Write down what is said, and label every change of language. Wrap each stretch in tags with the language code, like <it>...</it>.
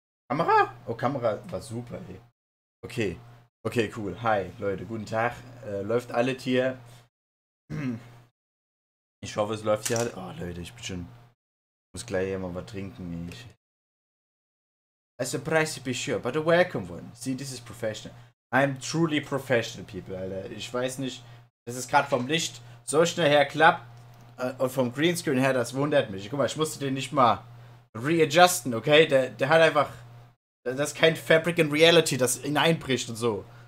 <de>Kamera? Oh, Kamera war super, ey. Okay. Okay, cool. Hi, Leute, guten Tag. Läuft alles hier? Ich hoffe, es läuft hier. Oh, Leute, ich bin schon... Ich muss gleich hier mal was trinken, ey.</de> <en>Also, price to be sure, but a welcome one. See, this is professional. I'm truly professional, people, Alter.</en> <de>Ich weiß nicht, dass es gerade vom Licht so schnell her klappt und vom Greenscreen her, das wundert mich. Guck mal, ich musste den nicht mal readjusten, okay? Der hat einfach... Das ist kein Fabric in Reality, das hineinbricht und so.</de>